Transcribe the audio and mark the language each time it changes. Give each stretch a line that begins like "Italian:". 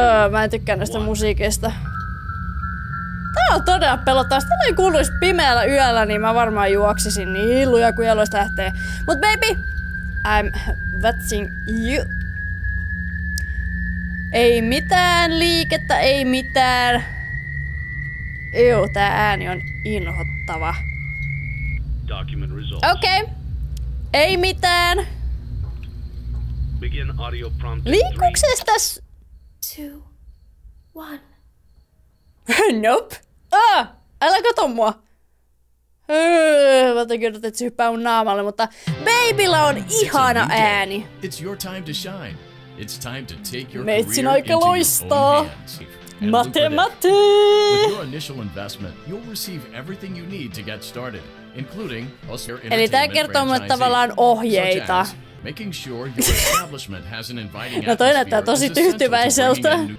Finnish: Mä en tykkää näistä musiikista. Tää on todella pelottavaa. Sitä ei kuuluis pimeällä yöllä, niin mä varmaan juoksisin niin luja kuin jaloista lähtee.
English: Mut baby, I'm watching you.
Finnish: Ei mitään liikettä, ei mitään. Joo, tää ääni on inhottava.
English: Document result.
Finnish: Okei. Ei mitään.
English: Begin audio prompt.
Finnish: Liikuks se täs? 2, 1. Nope. Ah, älä kato mua. Mä oon kyllä, että se hyppää mun naamalle, mutta Babylla on ihana ääni.
English: It's your time to shine. It's time to take your career into your own hands. Mate. With your initial investment, you'll receive everything you need to get started, including Usher Entertainment franchise. Making sure your establishment has an inviting atmosphere.
Finnish: No toi näyttää tosi tyytyväiseltä.